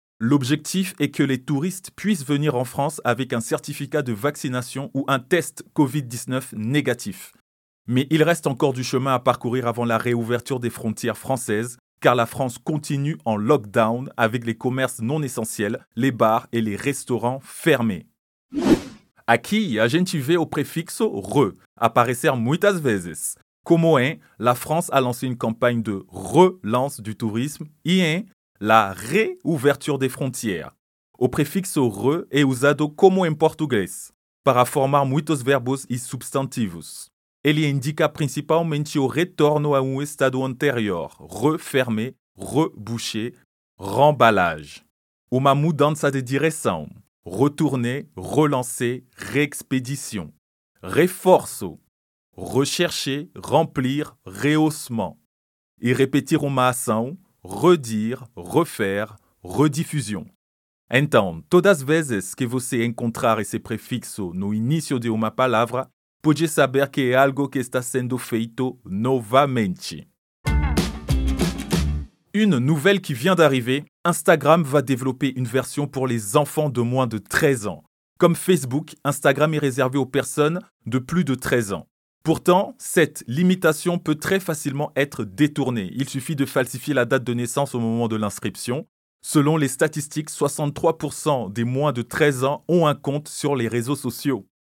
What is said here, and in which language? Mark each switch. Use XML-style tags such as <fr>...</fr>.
<fr>L'objectif est que les touristes puissent venir en France avec un certificat de vaccination ou un test Covid-19 négatif. Mais il reste encore du chemin à parcourir avant la réouverture des frontières françaises, car la France continue en lockdown avec les commerces non essentiels, les bars et les restaurants fermés.</fr> <pt>Aquí, a gente vê o prefixo RE aparecer muitas vezes. Como em,</pt> <fr>la France a lancé une campagne de relance du tourisme</fr> <pt>e em,</pt> <fr>la réouverture des frontières.</fr> <pt>O prefixo RE é usado como em português, para formar muitos verbos e substantivos. Ele indica principalmente o retorno a um estado anterior,</pt> <fr>refermé, rebouché, remballage.</fr> <pt>Uma mudança de direção,</pt> <fr>retourner, relancer, réexpédition.</fr> <pt>Reforço,</pt> <fr>rechercher, remplir, rehaussement.</fr> <pt>E repetir uma ação,</pt> <fr>redire, refaire, rediffusion.</fr> <pt>Então, todas as vezes que você encontrar esse prefixo no início de uma palavra, pode saber que é algo que está sendo feito novamente.</pt> <fr>Une nouvelle qui vient d'arriver, Instagram va développer une version pour les enfants de moins de 13 ans. Comme Facebook, Instagram est réservé aux personnes de plus de 13 ans. Pourtant, cette limitation peut très facilement être détournée. Il suffit de falsifier la date de naissance au moment de l'inscription. Selon les statistiques, 63% des moins de 13 ans ont un compte sur les réseaux sociaux.</fr>